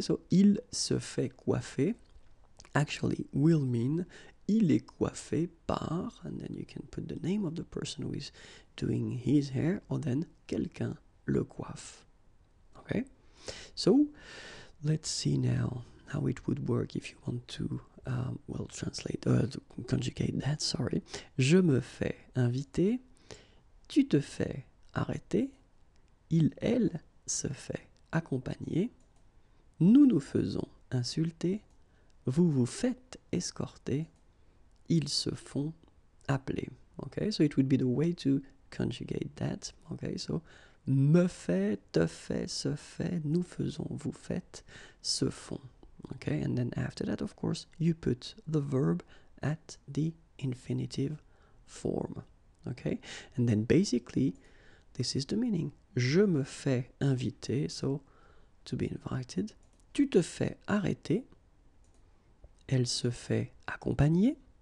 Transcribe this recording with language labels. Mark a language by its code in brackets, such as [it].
[en] So [fr] il se fait coiffer [en] actually will mean [fr] il est coiffé par, [en] and then you can put the name of the person who is doing his hair, or then [fr] quelqu'un le coiffe, [en] okay. So let's see now how it would work if you want to, well, translate, to conjugate that, sorry. [fr] Je me fais inviter, tu te fais arrêter, il, elle se fait accompagner, nous nous faisons insulter, vous vous faites escorter, ils se font appeler. [en] Okay, so it would be the way to conjugate that. Okay, so [fr] me fait, te fait, se fait, nous faisons, vous faites, se font. [en] Okay, and then after that, of course, you put the verb at the infinitive form. Okay, and then basically, this is the meaning. [fr] Je me fais inviter, [en] so to be invited. [fr] Tu te fais arrêter. Elle se fait accompagner.